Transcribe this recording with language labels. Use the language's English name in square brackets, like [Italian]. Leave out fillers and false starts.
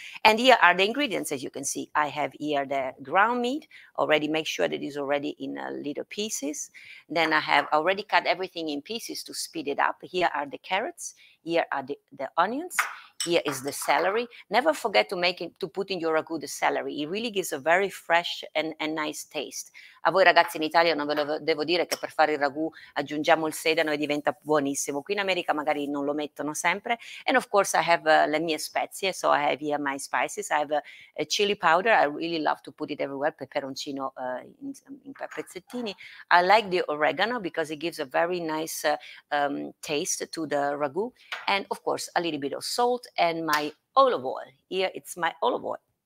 [English] And here are the ingredients, as you can see. I have here the ground meat, already make sure that it's already in little pieces. Then I have already cut everything in pieces to speed it up. Here are the carrots. Here are the onions. Here is the celery. Never forget to make it, to put in your ragù the celery. It really gives a very fresh and nice taste. [Italian] A voi ragazzi in Italia non ve lo devo dire che per fare il ragù aggiungiamo il sedano e diventa buonissimo. Qui in America magari non lo mettono sempre. [English] And of course I have [Italian] le mie spezie, [English] so I have here my spices. I have a chili powder. I really love to put it everywhere, [Italian] peperoncino in pezzettini. [English] I like the oregano because it gives a very nice taste to the ragù. And of course a little bit of salt. And my olive oil. Here it's my olive oil.